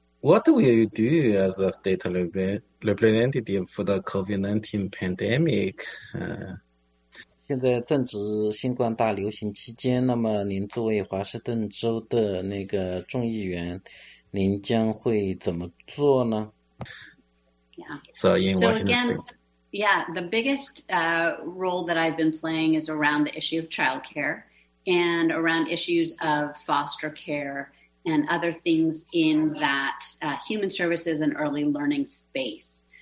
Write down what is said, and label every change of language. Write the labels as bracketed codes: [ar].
[en] What will you do as a state representative for the COVID-19 pandemic? [zh] 现在正值新冠大流行期间，那么您作为华盛顿州的那个众议员，您将会怎么做呢？ [en] So again, the biggest role that I've been playing is around the issue of childcare and around issues of foster care and other things in that human services and early learning space.